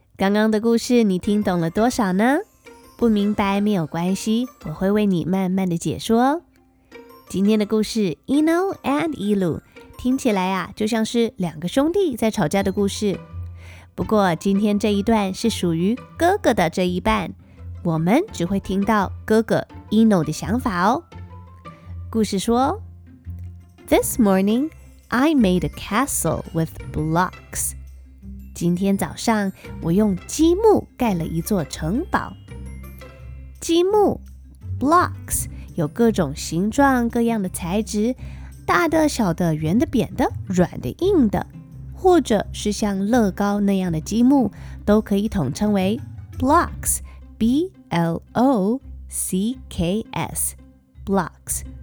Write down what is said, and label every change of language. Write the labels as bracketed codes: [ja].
[zh] 刚刚的故事你听懂了多少呢？不明白没有关系，我会为你慢慢的解说。今天的故事 Eno and Elu 听起来啊，就像是两个兄弟在吵架的故事。不过今天这一段是属于哥哥的这一半，我们只会听到哥哥 Eno 的想法哦。故事说 [en] This morning I made a castle with blocks. [zh] 今天早上我用积木盖了一座城堡。积木 blocks 有各种形状各样的材质，大的小的，圆的扁的，软的硬的，或者是像乐高那样的积木，都可以统称为 blocks， B-L-O-C-K-S blocks，